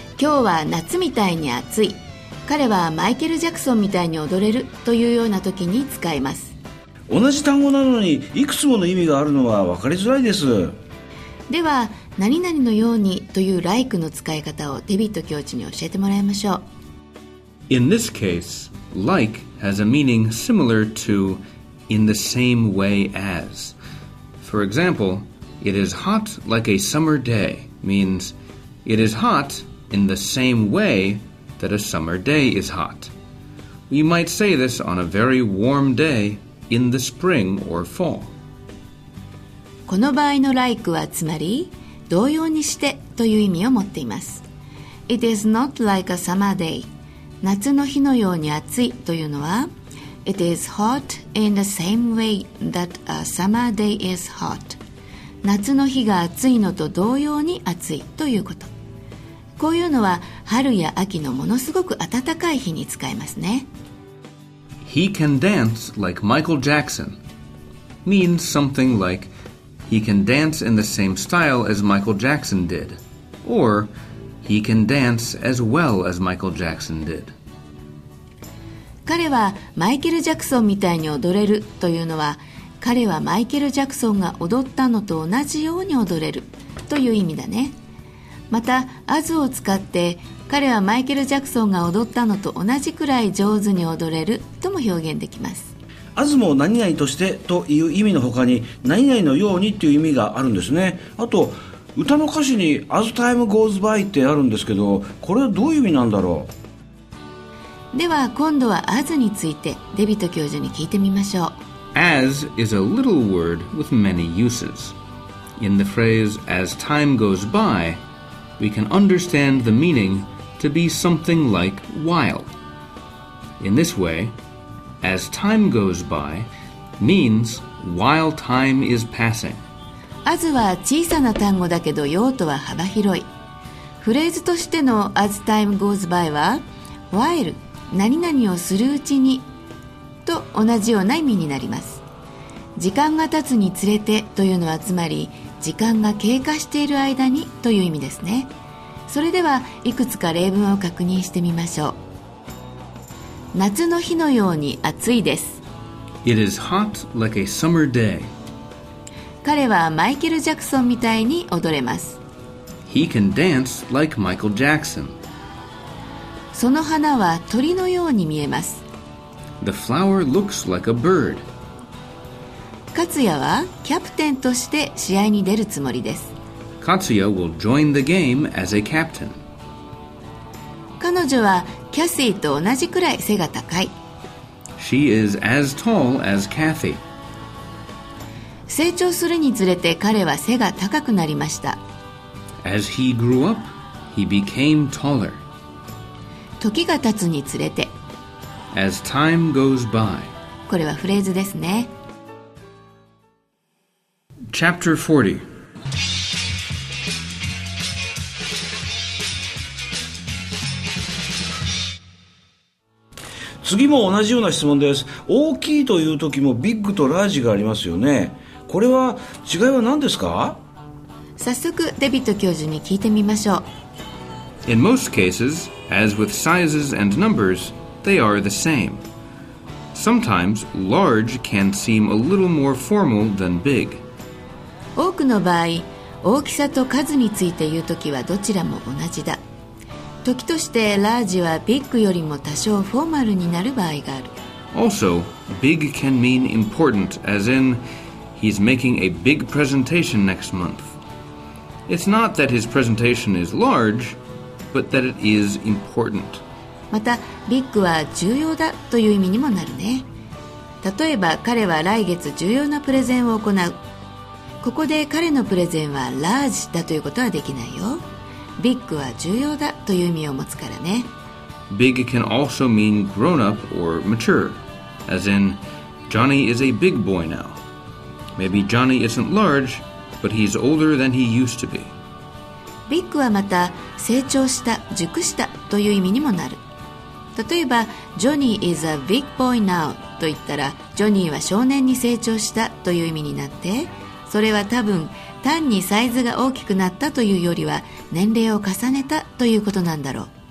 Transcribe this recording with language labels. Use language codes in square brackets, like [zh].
[ja] 今日は夏みたいに暑い、彼はマイケル・ジャクソンみたいに踊れるというような時に使います。同じ単語なのにいくつもの意味があるのは分かりづらいです。では何々のようにという like の使い方をデビット教授に教えてもらいましょう。 [en] In this case, likeHas a meaning similar to in the same way as. For example, it is hot like a summer day means it is hot in the same way that a summer day is hot. We might say this on a very warm day in the spring or fall. [ja] この場合の like はつまり同様にしてという意味を持っています。 [en] It is not like a summer day. [ja] 夏の日のように暑いというのは [en] It is hot in the same way that a summer day is hot. [ja] 夏の日が暑いのと同様に暑いということ。こういうのは春や秋のものすごく暖かい日に使えますね。 [en] He can dance like Michael Jackson means something like He can dance in the same style as Michael Jackson did orHe can dance as well as Michael Jackson did. [ja] 彼はマイケル・ジャクソンみたいに踊れるというのは、彼はマイケル・ジャクソンが踊ったのと同じように踊れるという意味だね。また、as を使って、彼はマイケル・ジャクソンが踊ったのと同じくらい上手に踊れるとも表現できます。 as も何々としてという意味の他に、何々のようにという意味があるんですね。あと、歌の歌詞に [en] As time goes by [ja] ってあるんですけど、これはどういう意味なんだろう。では今度は As についてデビット教授に聞いてみましょう。 [en] As is a little word with many uses. In the phrase As time goes by, we can understand the meaning to be something like while. In this way, As time goes by means while time is passing. [ja] As は小さな単語だけど用途は幅広い。フレーズとしての [en] As time goes by [ja] は While 何々をするうちにと同じような意味になります。時間が経つにつれてというのはつまり時間が経過している間にという意味ですね。それではいくつか例文を確認してみましょう。夏の日のように暑いです。 [en] It is hot like a summer day. [ja] 彼はマイケル・ジャクソンみたいに踊れます。 [en] He can dance like Michael Jackson. [ja] その花は鳥のように見えます。 [en] The flower looks like a bird. [ja] 勝也はキャプテンとして試合に出るつもりです。 [en] Katsuya will join the game as a captain. [ja] 彼女はキャシーと同じくらい背が高い。 [en] She is as tall as Kathy. [ja] 成長するにつれて彼は背が高くなりました。 [en] As he grew up, he became taller. [ja] 時が経つにつれて。 [en] As time goes by. [ja] これはフレーズですね。 [en] Chapter 40. [ja] 次も同じような質問です。大きいという時もビッグとラージがありますよね。これは違いは何ですか？早速デビット教授に聞いてみましょう。 [en] In most cases, as with sizes and numbers, they are the same. Sometimes large can seem a little more formal than big. [ja] 多くの場合、大きさと数について言う時はどちらも同じだ。時としてラージはビッグよりも多少フォーマルになる場合がある。 [en] Also, big can mean important, as in, he's making a big presentation next month. It's not that his presentation is large, but that it is important. [ja] また、ビッグは重要だという意味にもなるね。例えば、彼は来月重要なプレゼンを行う。ここで彼のプレゼンはラージだということはできないよ。ビッグは重要だという意味を持つからね。 [en] Big can also mean grown up or mature, as in, Johnny is a big boy now. Maybe Johnny isn't large, but he's older than he used to be. [ja] ビッグはまた成長した、熟したという意味にもなる。例えば、 [en] Johnny is a big boy now [ja] と言ったら、ジョニーは少年に成長したという意味になって、それは多分単にサイズが大きくなったというよりは年齢を重ねたということなんだろう。